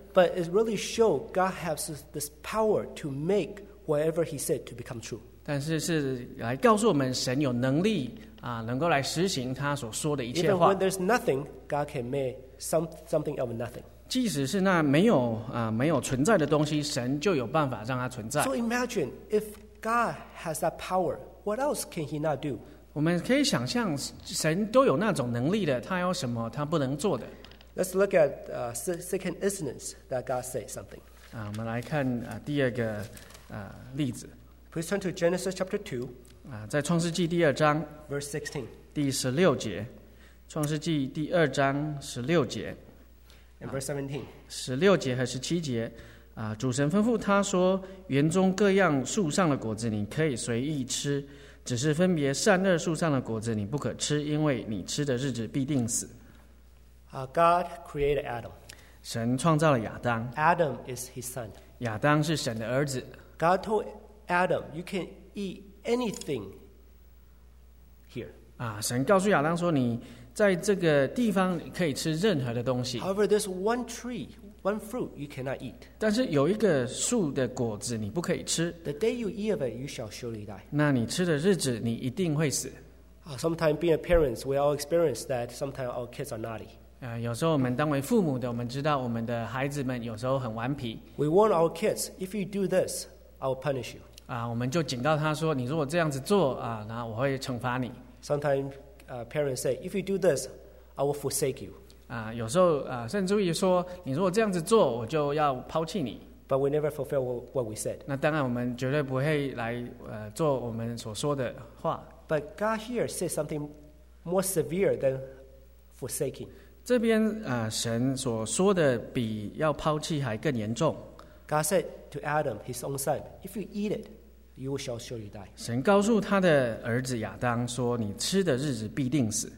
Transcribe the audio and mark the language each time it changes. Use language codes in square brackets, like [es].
[en] But it really shows God has this power to make whatever He said to become true. [zh] 但是是来告诉我们，神有能力能够来实行他所说的一切话。 [en] Even when there's nothing, God can make something out of nothing. [zh] 即使是那没有存在的东西，神就有办法让它存在。 [en] So imagine if God has that power, what else can He not do? [zh] 我们可以想象神都有那种能力的，他有什么他不能做的。 [en] Let's look at the second instance that God said something. [zh] 我们来看第二个例子。 [en] Please turn to Genesis chapter 2. [zh] 在创世纪第二章 [en] Verse 16. [zh] 第十六节，创世纪第二章十六节。 [en] And verse 17. [zh] 十六节和十七节，主神吩咐他说，园中各样树上的果子你可以随意吃，只是分别善恶树上的果子你不可吃，因为你吃的日子必定死。 [en] God created Adam. [zh] 神创造了亚当。 [en] Adam is his son. [zh] 亚当是神的儿子。 [en] God told Adam, you can eat anything here. [zh] 神告诉亚当说，你在这个地方可以吃任何的东西。 [en] However, there's one tree, one fruit you cannot eat. [zh] 但是有一个树的果子你不可以吃。 [en] The day you eat of it, you shall surely die. [zh] 那你吃的日子你一定会死。 [en] Sometimes being a parent, we all experience that sometimes our kids are naughty. [zh] 有时候我们当为父母的，我们知道我们的孩子们有时候很顽皮。 [en] We warn our kids, if you do this, I will punish you. [zh] 我们就警告他说，你如果这样子做啊，那我会惩罚你。 [en] Sometimes, parents say, if you do this, I will forsake you. [zh] 啊，有时候啊，甚至于说，你如果这样子做，我就要抛弃你。 [en] But we never fulfill what we said. [zh] 那当然，我们绝对不会来做我们所说的话。 [en] But God here says something more severe than forsaking. [zh] 这边神所说的比要抛弃还更严重。 [en] God said to Adam, his own son, if you eat it, you shall surely die. [zh] 神告诉他的儿子亚当说，你吃的日子必定死。